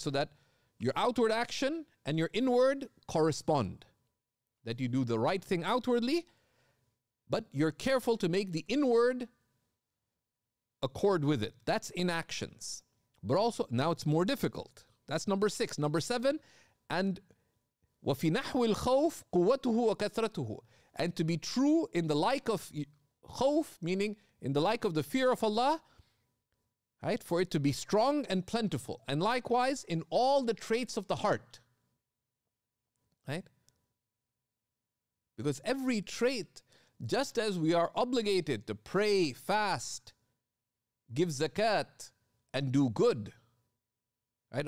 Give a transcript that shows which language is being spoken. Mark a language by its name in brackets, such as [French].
[English] So that your outward action and your inward correspond. That you do the right thing outwardly, but you're careful to make the inward accord with it. That's in actions. But also, now it's more difficult. That's number six. Number seven, and [Arabic] وَفِي نَحْوِ الْخَوْفِ قُوَّتُهُ وَكَثْرَتُهُ. [English] And to be true in the like of khawf, meaning in the like of the fear of Allah, right? For it to be strong and plentiful. And likewise, in all the traits of the heart. Right? Because every trait, just as we are obligated to pray, fast, give zakat, and do good, right?